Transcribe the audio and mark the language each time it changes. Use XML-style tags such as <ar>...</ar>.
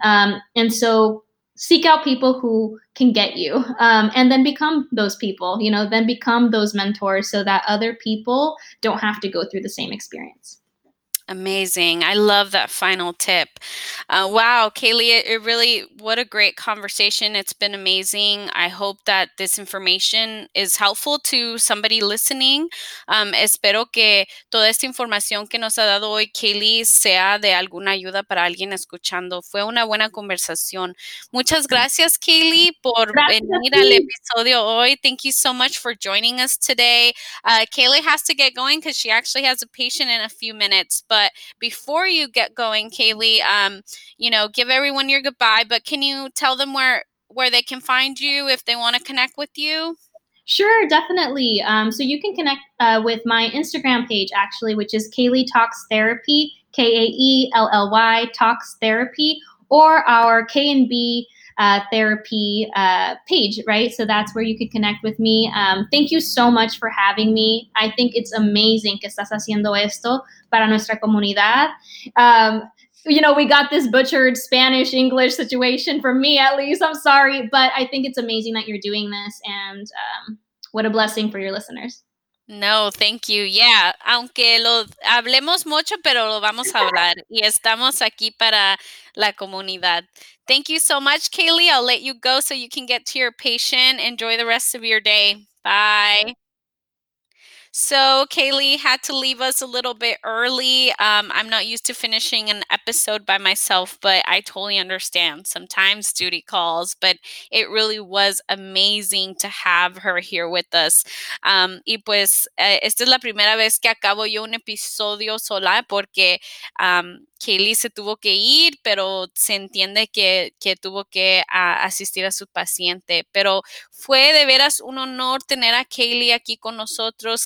<en>And so seek out people who can get you, and then become those people, you know, then become those mentors so that other people don't have to go through the same experience. Amazing. I love that final tip. Wow, Kaylee, it really, what a great conversation. It's been amazing. I hope that this information is helpful to somebody listening.</en> <es>Espero que toda esta información que nos ha dado hoy, Kaylee, sea de alguna ayuda para alguien escuchando. Fue una buena conversación. Muchas gracias, Kaylee, por gracias venir al episodio hoy.</es> <en>Thank you so much for joining us today. Kaylee has to get going because she actually has a patient in a few minutes. But before you get going, Kaylee, you know, give everyone your goodbye. But can you tell them where they can find you if they want to connect with you? Sure, definitely. So you can connect with my Instagram page, actually, which is Kaylee Talks Therapy, K-A-E-L-L-Y Talks Therapy, or our K&B Therapy page, right? So that's where you can connect with me. Thank you so much for having me. I think it's amazing</en> <es>que estás haciendo esto para nuestra comunidad.</es> <en>You know, we got this butchered Spanish English situation for me, at least. I'm sorry, but I think it's amazing that you're doing this, and what a blessing for your listeners. No, thank you.</en> <es>Yeah, aunque lo hablemos mucho, pero lo vamos a hablar. Y estamos aquí para la comunidad.</es> <en>Thank you so much,</en> <es>Kaylee.</es> <en>I'll let you go so you can get to your patient. Enjoy the rest of your day. Bye. So Kaylee had to leave us a little bit early. I'm not used to finishing an episode by myself, but I totally understand. Sometimes duty calls, but it really was amazing to have her here with us.</en> <es>Y pues, esta es la primera vez que acabo yo un episodio sola porque Kaylee se tuvo que ir, pero se entiende que tuvo que asistir a su paciente. Pero fue de veras un honor tener a Kaylee aquí con nosotros.</es>